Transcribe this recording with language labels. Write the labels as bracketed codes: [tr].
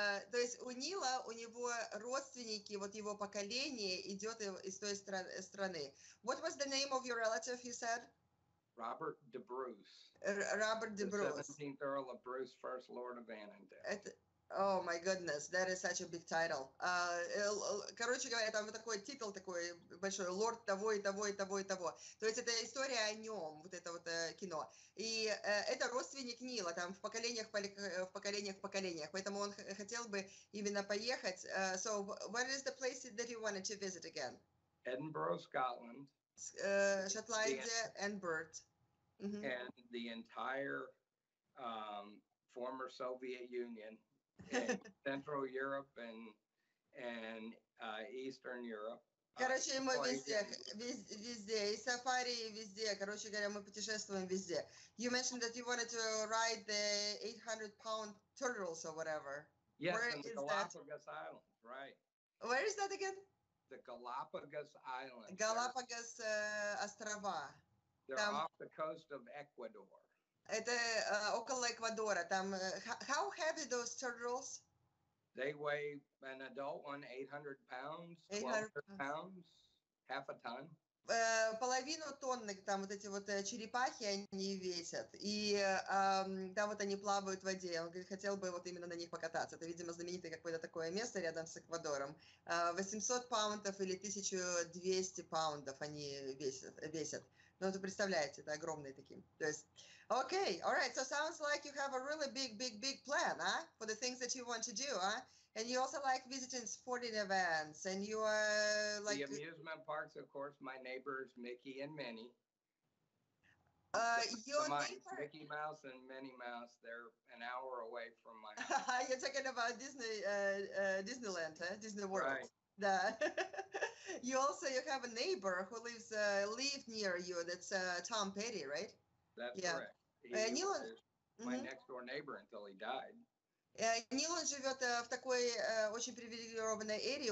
[ru] То есть у Нила, у него родственники, вот его поколение идет из той страны. [en] What was the name of your relative, you said? Robert de Bruce. Robert de Bruce. The 17th Earl of Bruce, first Lord of Annandale. Oh my goodness, that is such a big title. [ru] Короче говоря, там вот такой титул такой большой, лорд того и того и того и того. То есть это история о нем, вот это вот кино. И это родственник Нила, там в поколениях, поэтому он хотел бы именно поехать. [en] So, what is the place that you wanted to visit again? Edinburgh, Scotland. [ru] Шотландия, Edinburgh. [en] Mm-hmm. And the entire former Soviet Union. In Central Europe and Eastern Europe. [ru] Короче, мы везде, и сафари, и везде. Короче говоря, мы путешествуем везде. [en] You mentioned that you wanted to ride the 800-pound turtles or whatever. Yes, where is the Galapagos that? Islands, right. Where is that again? The Galapagos Islands. [ru] Galapagos острова. [en] They're там... off the coast of Ecuador. [ru] Это около Эквадора. Там, [en] how heavy those turtles? They weigh an adult one 800 pounds, 1200 pounds, half a ton. [ru] Половину тонны там вот эти вот черепахи они весят. И там вот они плавают в воде. Он говорит, хотел бы вот именно на них покататься. Это, видимо, знаменитое какое-то такое место рядом с Эквадором. 800 паундов или 1200 паундов они весят. Ну, вы представляете, это огромные такие. То есть, [en] okay, all right, so sounds like you have a really big, big, big plan, huh? For the things that you want to do, huh? And you also like visiting sporting events, and you are like... The amusement parks, of course, my neighbors, Mickey and Minnie. Mickey Mouse and Minnie Mouse, they're an hour away from my house. You're talking about Disneyland, huh? Disney World. Right. You have a neighbor who lives near you, that's Tom Petty, right? That's correct. He was my next-door neighbor until he died. [ru] Нил, он живет в такой очень привилегированной эре.